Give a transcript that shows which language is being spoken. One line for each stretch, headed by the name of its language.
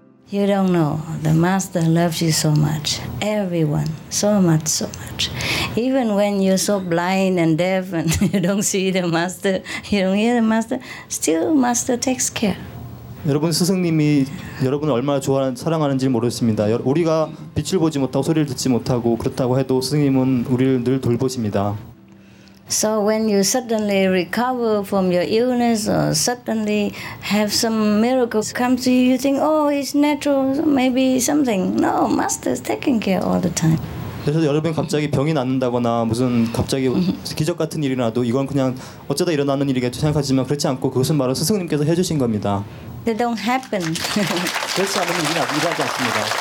English: You don't know, the Master loves you so much, everyone, so much, so much. Even when you're so blind and deaf and you don't see the Master, you don't hear the Master, still Master takes care.
Korean: 여러분 스승님이 여러분을 얼마나 좋아하는 사랑하는지 모르십니다. 우리가 빛을 보지 못하고 소리를 듣지 못하고 그렇다고 해도 스승님은 우리를 늘 돌보십니다.
English: So when you suddenly recover from your illness or suddenly have some miracles come to you, you think, oh, it's natural, maybe something. No, Master is taking care all the time.
Korean: 그래서 여러분 갑자기 병이 낫는다거나 무슨 갑자기 기적 같은 일이 나도 이건 그냥 어쩌다 일어나는 일이겠죠 생각하지만 그렇지 않고 그것은 바로 스승님께서 해주신 겁니다.
English: They don't happen.
Korean: 그렇지 않으면 일이 일어나지 않습니다.